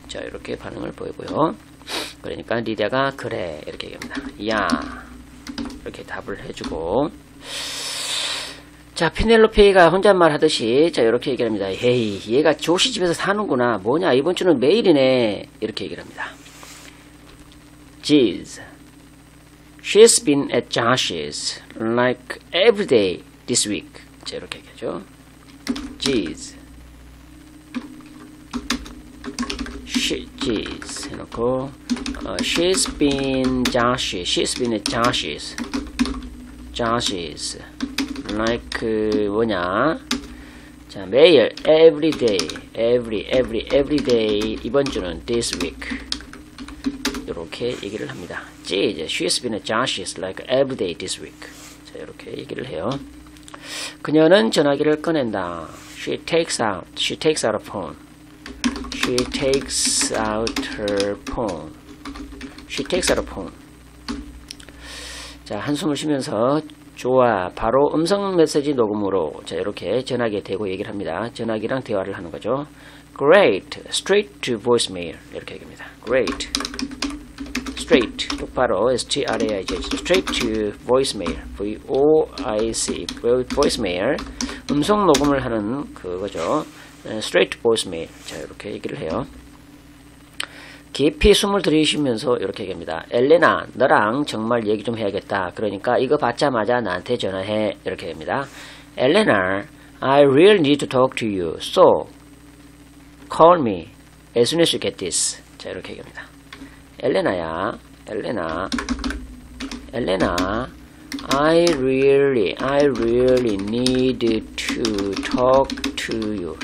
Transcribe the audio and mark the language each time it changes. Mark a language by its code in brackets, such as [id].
[ko] 자, 이렇게 반응을 보이고요. 그러니까 리디아가 그래 이렇게 얘기합니다. 야, 이렇게 답을 해주고. 자, 피넬로페이가 혼잣말 하듯이 자 이렇게 얘기합니다. 헤이, 얘가 조시 집에서 사는구나. 뭐냐, 이번 주는 매일이네. 이렇게 얘기합니다. [en] Geez, she's been at Josh's like every day this week. [ko] 자, 이렇게 얘기하죠. Geez. [en] Geez [ko] 해놓고 [en] she's been Josh. She's been at Josh's. Josh's. Like [ko] 뭐냐? 자, 매일 [en] every day, every day [ko] 이번 주는 [en] this week. [ko] 이렇게 얘기를 합니다. [en] Geez, she's been at Josh's like every day this week. [ko] 자, 이렇게 얘기를 해요. 그녀는 전화기를 꺼낸다. [en] She takes out a phone. She takes out her phone. She takes out a phone. [ko] 자, 한숨을 쉬면서 좋아, 바로 음성 메시지 녹음으로. 자, 이렇게 전화기에 대고 얘기를 합니다. 전화기랑 대화를 하는 거죠. [en] Great, straight to voicemail. [ko] 이렇게 얘기합니다. [en] Great, straight, [ko] 똑바로, [en] straight, straight to voicemail. V-O-I-C, voicemail. [ko] 음성 녹음을 하는 그거죠. [en] Straight voicemail. [ko] 자, 이렇게 얘기를 해요. 깊이 숨을 들이쉬면서 이렇게 얘기합니다. 엘레나, 너랑 정말 얘기 좀 해야겠다. 그러니까 이거 받자마자 나한테 전화해. 이렇게 얘기합니다. [en] 엘레나, I really need to talk to you. So, call me as soon as you get this. [ko] 자, 이렇게 얘기합니다. [en] 엘레나, I really need to talk to you.